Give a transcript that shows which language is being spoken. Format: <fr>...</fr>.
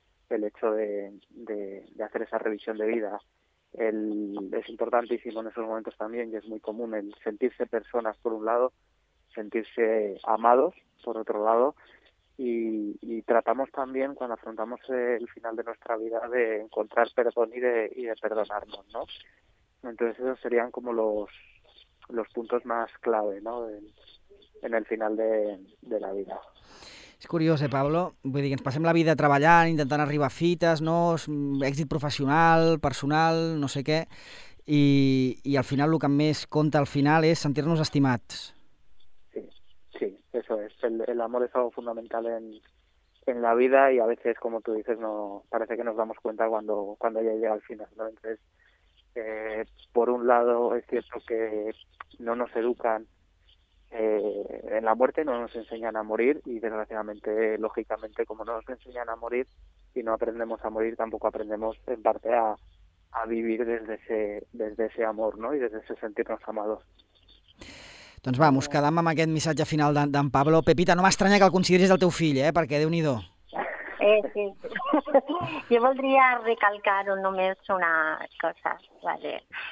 <es>El hecho de hacer esa revisión de vida. Es importantísimo en esos momentos también, y es muy común el sentirse personas por un lado, sentirse amados por otro lado, y tratamos también, cuando afrontamos el final de nuestra vida, de encontrar perdón y de perdonarnos, ¿no? Entonces esos serían como los puntos más clave, ¿no?, en el final de la vida.</es> <ca>És curiós, Pablo? Vull dir, que ens passem la vida treballant, intentant arribar a fites, no?, èxit professional, personal, no sé què, i al final el que més compta al final és sentir-nos estimats.</ca> <es>Eso es, el amor es algo fundamental en la vida, y a veces, como tú dices, no parece que nos damos cuenta cuando ya llega al final, ¿no? Entonces, por un lado es cierto que no nos educan en la muerte, no nos enseñan a morir, y desgraciadamente, lógicamente, como no nos enseñan a morir y no aprendemos a morir, tampoco aprendemos en parte a vivir desde ese amor, ¿no?, y desde ese sentirnos amados.</es> <ca>Doncs va, mos quedam amb aquest missatge final d'en Pablo. Pepita, no m'estranya que el consideris el teu fill, perquè déu-n'hi-do. Sí. Jo voldria recalcar només una cosa, vale.</ca>